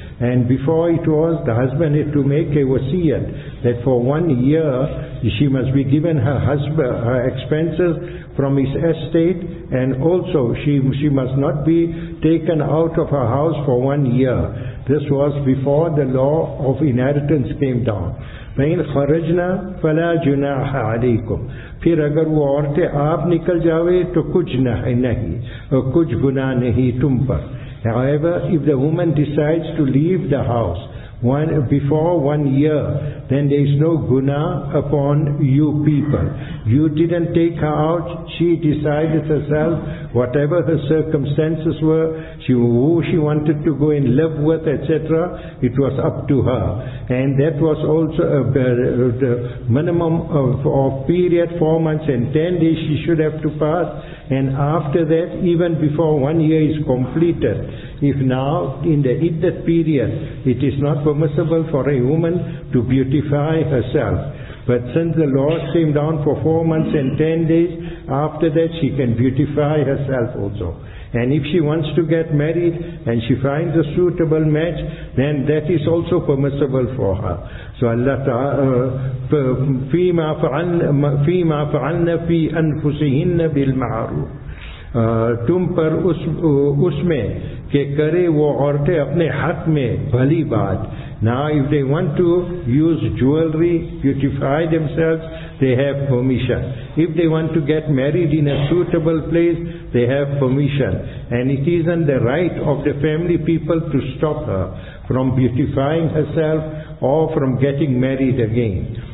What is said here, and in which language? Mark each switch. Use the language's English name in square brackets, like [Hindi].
[English] And before it was, the husband had to make a wasiyat that for 1 year she must be given her husband her expenses from his estate, and also she must not be taken out of her house for 1 year. This was before the law of inheritance came down. [Arabic] فَإِنْ خَرَجْنَا فَلَا جُنَاحَ عَلَيْكُمْ [Hindi] फिर अगर वो औरतें आप निकल जावे तो कुछ नहीं कुछ गुनाह नहीं तुम पर. [English] However, if the woman decides to leave the house before 1 year, then there is no guna upon you people. You didn't take her out, she decided herself, whatever her circumstances were, who she wanted to go and live with, etc., it was up to her. And that was also a minimum of period, 4 months and 10 days she should have to pass. And after that, even before 1 year is completed, if now in the iddat period, it is not permissible for a woman to beautify herself. But since the law came down for 4 months and 10 days, after that she can beautify herself also. And if she wants to get married and she finds a suitable match, then that is also permissible for her. [Arabic] So Allah ta'ala, فِيمَا فَعَلْنَا فِي أَنفُسِهِنَّ بِالْمَعْرُوفِ. [Hindi] तुम पर उसमें के करे वो औरतें अपने हक में भली बात. [English] Now if they want to use jewelry, beautify themselves, they have permission. If they want to get married in a suitable place, they have permission. And it isn't the right of the family people to stop her from beautifying herself or from getting married again.